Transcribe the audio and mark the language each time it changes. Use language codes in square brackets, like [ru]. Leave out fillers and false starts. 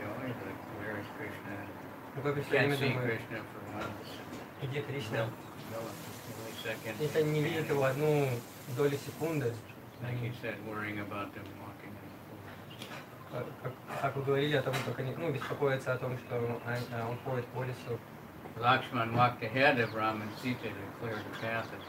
[en] The gopis are always like, where is Krishna? Can't see Krishna for months. [ru] Где Кришна? [en] No, only seconds. [ru] Если не видит его одну долю секунды. [en] Like you said, worrying about them walking in the forest. [ru] Как вы говорили о том, как они, ну, беспокоятся о том, что он ходит по лесу. [en] Lakshman walked ahead of Rama and Sita to clear the path.